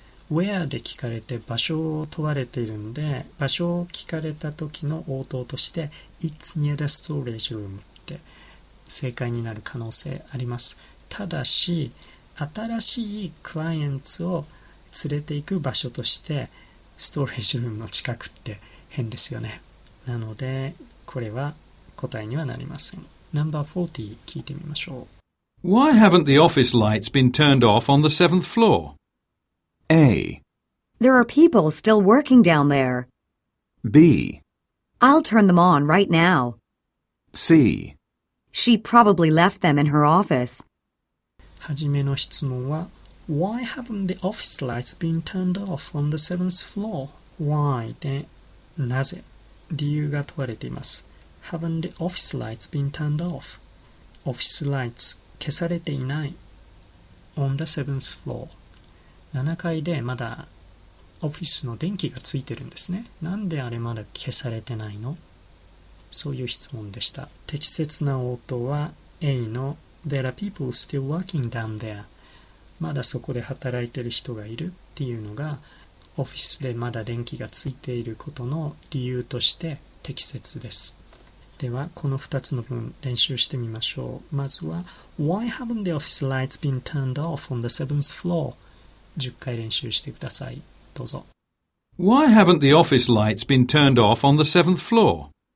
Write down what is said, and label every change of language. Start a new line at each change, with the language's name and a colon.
Japanese: Where で聞かれて場所を問われているんで、場所を聞かれた時の応答として
English: It's near the storage room
Japanese: って正解になる可能性あります。ただし、新しいクライアンツを連れて行く場所としてストレージルームの近くって変ですよね。なのでこれは答えにはなりません。 Number 40聞いてみましょう。
English: Why haven't the office lights been turned off on the seventh floor? A. There are people still working down there. B. I'll turn them on right now. C. She probably left them in her office.
Japanese: はじめの質問は
English: Why haven't the office lights been turned off on the seventh floor? Why?
Japanese: で、なぜ？理由が問われています。
English: Haven't the office lights been turned off? Office lights
Japanese: 消されていない。
English: On the seventh floor.
Japanese: 7階でまだオフィスの電気がついてるんですね。なんであれまだ消されてないの？そういう質問でした。適切な応答は A の
English: There are people still working down there.
Japanese: まだそこで働いてる人がいるっていうのがオフィスでまだ電気がついていることの理由として適切です。ではこの2つの文練習してみましょう。まずは
English: Why haven't the office lights been turned off on the seventh floor?
Japanese: 10回練習してください。どうぞ。
English: Why haven't the office lights been turned off on the seventh floor?